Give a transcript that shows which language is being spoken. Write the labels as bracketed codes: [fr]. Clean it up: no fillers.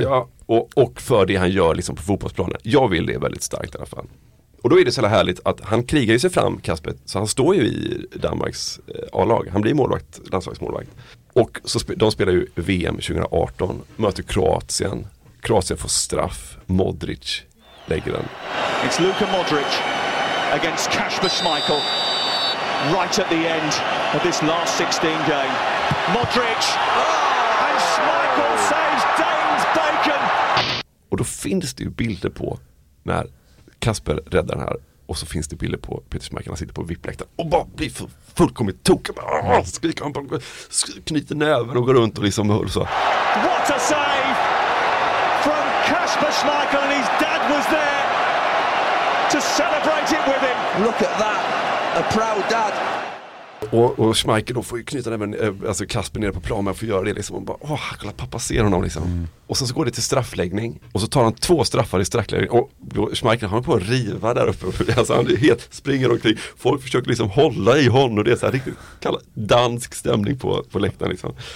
[sv] Ja, och för det han gör liksom på fotbollsplanen. Jag vill det väldigt starkt i alla fall. Och då är det så härligt att han krigar ju sig fram, Kasper. Så han står ju i Danmarks A-lag. Han blir målvakt, landslagsmålvakt. Och så de spelar ju VM 2018, möter Kroatien. Kroatien får straff. Modric lägger den. [en] It's Luka Modric against Kasper Schmeichel right at the end of this last 16 game. Modric and Schmeichel saves Danes bacon. [sv] Och då finns det ju bilder på när Kasper räddar den här. Och så finns det bilder på Peter Schmeichel, han sitter på VIP-läktaren och bara blir fullkomligt tokig. Skriker han på honom, knyter näven och går runt och liksom hör så. [en] What a save from Kasper Schmeichel, and his dad was there to celebrate it with him. Look at that, a proud dad. [sv] Och Schmeichel då får ju knyta näven, alltså Kasper ner på plan, men får göra det liksom. Och bara, åh, kolla, pappa ser honom liksom. Mm. Och sen så går det till straffläggning. Och så tar han 2 straffar i straffläggning. Och Schmeichel, han är på att riva där uppe. Alltså han är helt, springer omkring. Folk försöker liksom hålla i honom. Och det är så här riktigt kallad dansk stämning på läktaren liksom.